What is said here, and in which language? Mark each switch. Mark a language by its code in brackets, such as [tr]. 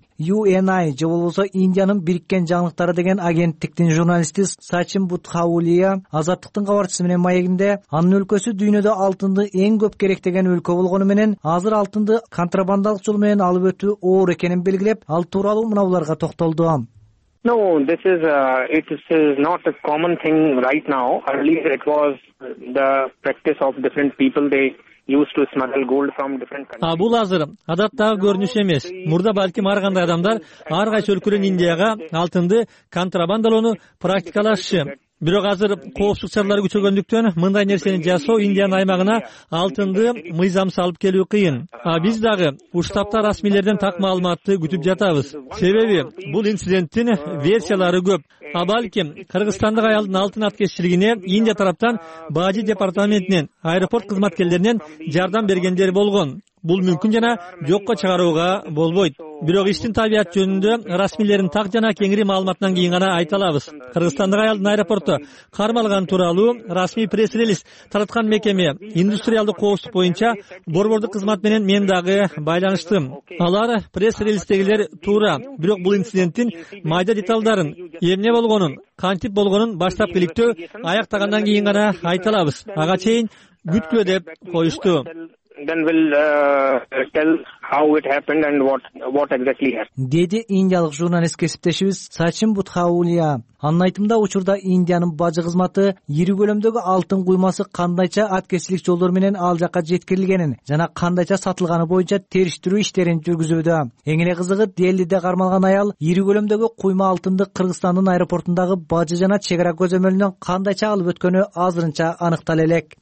[ky] UNI же болбосо Индиянын бириккен жаңылыктары деген агенттиктин журналисти Сачин Бутхаулия Азаттыктын кабарчысы менен маегинде анын өлкөсү дүйнөдө алтынды эң көп керектеген өлкө болгону менен азыр алтынды контрабандалык жол менен алып өтүү оор экенин белгилеп, ал тууралуу мынауларга токтолду. [en] No, this is it is not a common thing right now. Earlier it was the practice of different people, they used to smuggle gold from different countries. [ky] Бул азыр адаттагы көрүнүш эмес. Мурда балким ар кандай адамдар ар кайсы өлкөдөн Индияга алтынды контрабандалоону практикалашчу. Бирок азыр коопсуздук чаралары күчөгөндүктөн мындай нерсени жасоо Индиянын аймагына алтынды мыйзамсыз алып келүү кыйын. Биз дагы штабта расмийлерден так маалыматты күтүп жатабыз. Себеби бул инциденттин версиялары көп. Балким кыргызстандык аялдын алтын ат кесилгине Индия тараптан бажы департаментинен аэропорт кызматкерлеринен жардам бергендер болгон. бул мүмкүн жана жокко чыгарууга болбойт. Бирок иштин табият жөнүндө расмилердин так жана кеңири маалыматынан кийин гана айта алабыз. Кыргызстандык аялдын аэропортто кармалганы тууралуу расмий пресс релиз тараткан мекеме индустриалдык коопсуздук боюнча борбордук кызмат менен мен дагы байланыштым. Алар пресс релиздегилер туура, бирок бул инциденттин майда деталдарын, эмне болгонун, кантип болгонун баштап иликтөө аяктагандан кийин гана айта алабыз. Ага чейин күткүлө деп коюшту. [en] Then we'll tell how it happened and what exactly happened. [ky] Деди индиялык журналист кесиптешибиз Сачин Бутхаулия. Анын айтымында учурда Индиянын бажы кызматы ири көлөмдөгү алтын куймасы кандайча аткесилик жолдор менен ал жакка жеткирилгенин жана кандайча сатылганы боюнча териштирүү иштерин жүргүзүүдө. Эң эле кызыгы, Делиде кармалган аял ири көлөмдөгү куйма алтынды Кыргызстандын аэропортундагы бажы жана чек ара көзөмөлүнөн кандайча алып өткөнү азырынча аныктала элек.